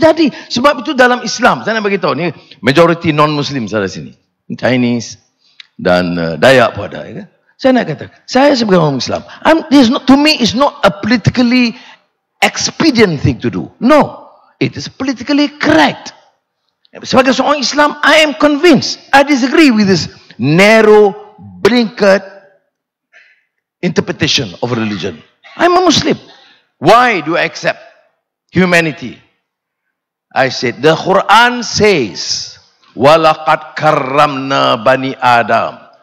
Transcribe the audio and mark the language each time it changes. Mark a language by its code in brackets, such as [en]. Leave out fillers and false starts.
[ms] Jadi sebab itu dalam Islam. Saya nak beritahu ni. [en] Majority non-Muslim [ms] ada sini. Chinese. Dan Dayak pun ada. Ya? Saya nak kata. Saya sebagai orang Islam. [en] It's not a politically expedient thing to do. No. It is politically correct. [ms] Sebagai seorang Islam, [en] I am convinced. I disagree with this narrow, blinkered interpretation of religion. I'm a Muslim. Why do I accept humanity? I said, the Quran says, [ar] وَلَقَدْ كَرَّمْنَا بَنِي آدَمْ.